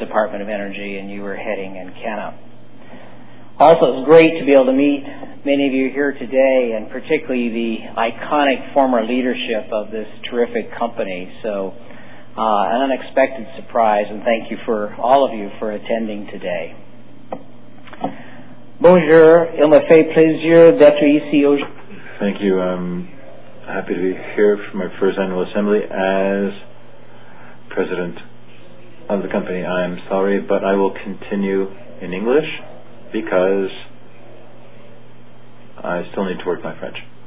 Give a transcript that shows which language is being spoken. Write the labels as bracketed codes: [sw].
[en] Department of Energy and you were heading in Canada. Also, it's great to be able to meet many of you here today, and particularly the iconic former leadership of this terrific company. So an unexpected surprise, and thank you for all of you for attending today. [fr] Bonjour, il me fait plaisir d'être ici aujourd'hui. [en] Thank you. I'm happy to be here for my first annual assembly as president of the company. I'm sorry, but I will continue in English because I still need to work my French.